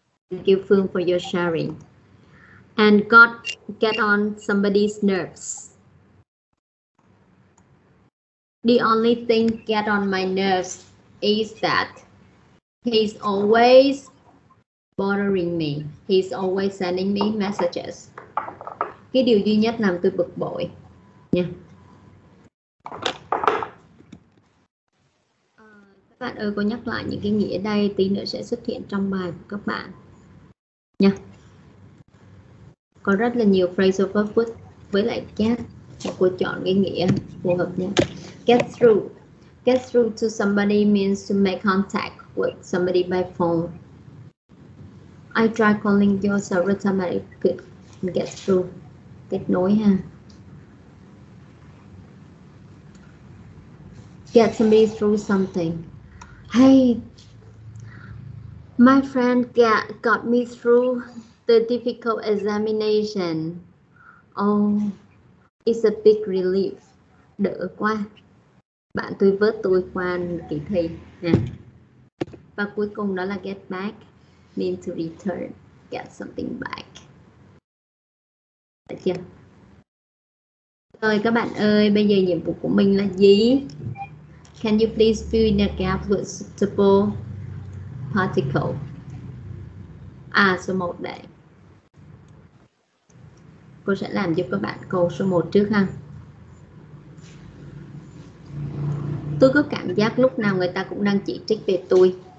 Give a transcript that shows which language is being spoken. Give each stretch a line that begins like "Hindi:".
English: Thank you, Phương, for your sharing. And get on somebody's nerves. The only thing get on my nerves is that he's always bothering me. He's always sending me messages.
Vietnamese: Cái điều duy nhất làm tôi bực bội nha. Các bạn ơi, cô nhắc lại những cái nghĩa đây, tí nữa sẽ xuất hiện trong bài của các bạn nha. Có rất là nhiều phrasal verb với lại get, cô chọn cái nghĩa phù hợp nha.
English: Get through to somebody means to make contact with somebody by phone. I tried calling you several times, I could get through.
Vietnamese: Kết nối ha.
English: Get somebody through something. Hey, my friend got me through the difficult examination. Oh, it's a big relief.
Vietnamese: Đỡ quá. Bạn tôi vớt tôi qua kỳ thi nha. Và cuối cùng đó là
English: get back, mean to return, get something back.
Vietnamese: Được chưa? Rồi các bạn ơi, bây giờ nhiệm vụ của mình là gì?
English: Can you please fill in the gap with suitable particle?
Vietnamese: À, số 1 đây. Cô sẽ làm giúp các bạn câu số 1 trước ha. Tôi có cảm giác lúc nào người ta cũng đang chỉ trích về tôi.